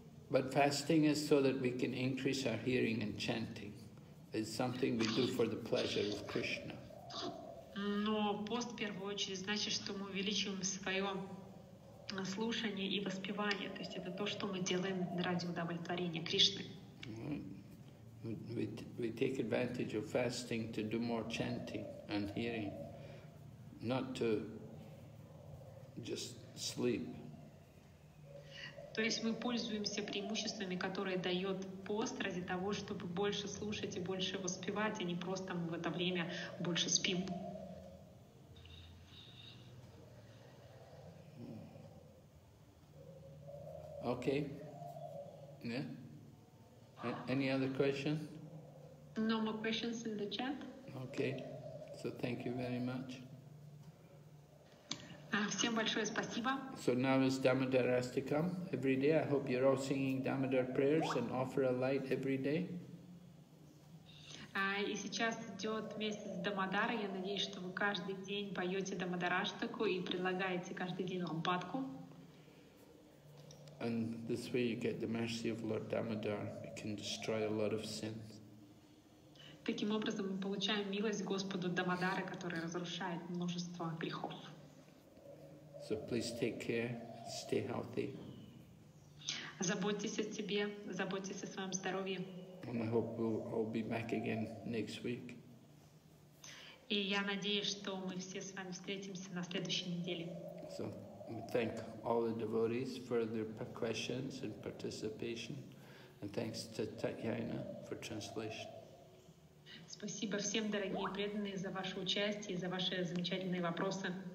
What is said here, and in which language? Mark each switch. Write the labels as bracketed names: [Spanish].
[English] But fasting is so that we can increase our hearing and chanting. It's something we do for the pleasure of Krishna. [Russian] Но пост в первую очередь значит, что мы увеличиваем свое слушание и воспевание. То есть это то, что мы делаем ради удовлетворения Кришны. [English] We take advantage of fasting to do more chanting and hearing, not to just sleep. [Russian] То есть мы пользуемся преимуществами, которые дает пост, ради того, чтобы больше слушать и больше воспевать, а не просто мы в это время больше спим. [English] Okay. Yeah. Any other question? No more questions in the chat. Okay. So thank you very much. [Russian] Всем большое спасибо. [English] So now is Damodar Astakam. Every day I hope you're all singing Damodar prayers and offer a light every day. [Russian] И сейчас идет месяц Дамодара. Я надеюсь, что вы каждый день поете Дамодар Аштаку и предлагаете каждый день лампадку. [English] And this way you get the mercy of Lord Damodar. It can destroy a lot of sins. [Russian] таким образом мы получаем милость Господу Дамодара, который разрушает множество грехов. [English] So please take care, stay healthy. [Russian] Заботьтесь о себе, заботьтесь о своем здоровье. [English] And I hope we'll be back again next week. [Russian] И я надеюсь, что мы все с вами встретимся на следующей неделе. [English] So we thank all the devotees for their questions and participation. And thanks to Tatyana for translation. [Russian] Спасибо всем, дорогие преданные, за ваше участие и за ваши замечательные вопросы.